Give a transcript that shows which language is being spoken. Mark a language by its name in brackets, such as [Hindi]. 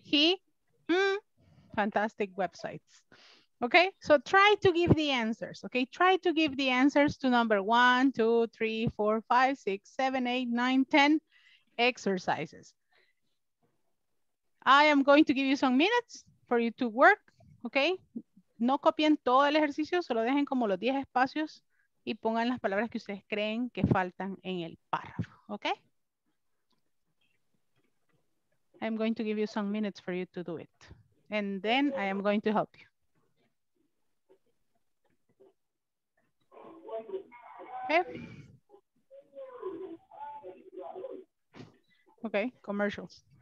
[English] He fantastic websites. Okay, so try to give the answers. Okay, try to give the answers to number 1, 2, 3, 4, 5, 6, 7, 8, 9, 10 exercises. I am going to give you some minutes for you to work. Okay. [Spanish] No copien todo el ejercicio, solo dejen como los 10 espacios y pongan las palabras que ustedes creen que faltan en el párrafo, ¿ok? [English] I'm going to give you some minutes for you to do it. And then I am going to help you. Okay. Okay, commercials.